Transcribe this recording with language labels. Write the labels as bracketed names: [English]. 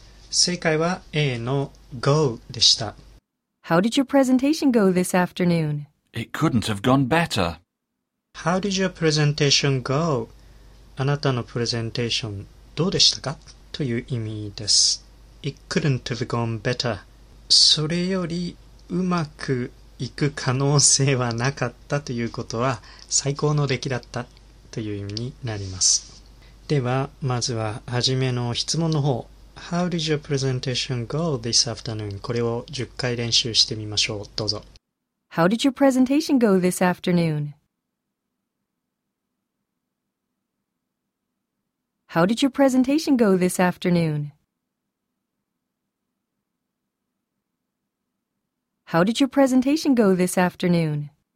[Japanese] 正解は A の Go でした。 [English] How did your presentation go this afternoon? It couldn't have gone better. How did your presentation go? [Japanese] あなたのプレゼンテーションどうでしたか? という意味です。 [English] It couldn't have gone better. [Japanese] それよりうまくいく可能性はなかったということは最高の出来だったという意味になります。ではまずは初めの質問の方。 [English] How did your presentation go this afternoon? [Japanese] これを10回練習してみましょう。どうぞ。 [English] How did your presentation go this afternoon? How did your presentation go this afternoon? How did your presentation go this afternoon?